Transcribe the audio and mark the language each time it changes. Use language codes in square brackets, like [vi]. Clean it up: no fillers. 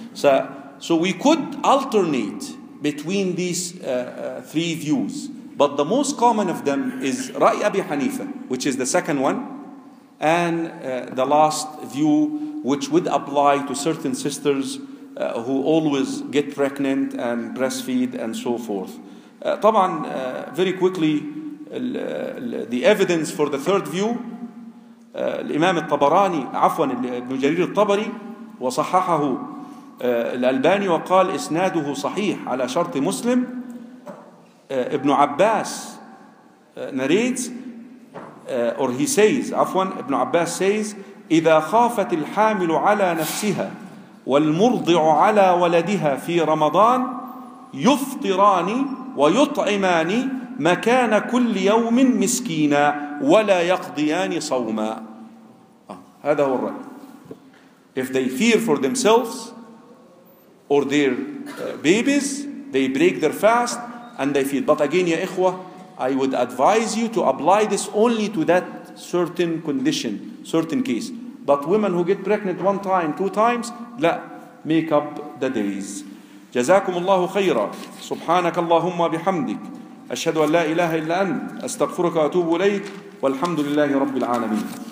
[en] So we could alternate between these three views. But the most common of them is Ra'i Abi Hanifa, which is the second one. And the last view, which would apply to certain sisters who always get pregnant and breastfeed and so forth. [ar] طبعاً, [en] very quickly, the evidence for the third view, [ar] الإمام الطبراني, عفواً, ابن جرير الطبري, وصححه الألباني وقال إسناده صحيح على شرط مسلم. ابن عباس [en] narrates, or he says, [ar] عفواً, ابن عباس says, إذا خافت الحامل على نفسها والمرضع على ولدها في رمضان يفطران ويطعمان مكان كل يوم مسكينا ولا يقضيان صوما. هذا هو الرأي. [en] If they fear for themselves or their babies, they break their fast and they feed. But again, [ar] يا إخوة, [en] I would advise you to apply this only to that certain condition, certain case. But women who get pregnant one time, two times, لا, make up the days. [ar] جزاكم الله خيرا. سبحانك اللهم وبحمدك, أشهد أن لا إله إلا أنت أستغفرك وأتوب إليك والحمد لله رب العالمين.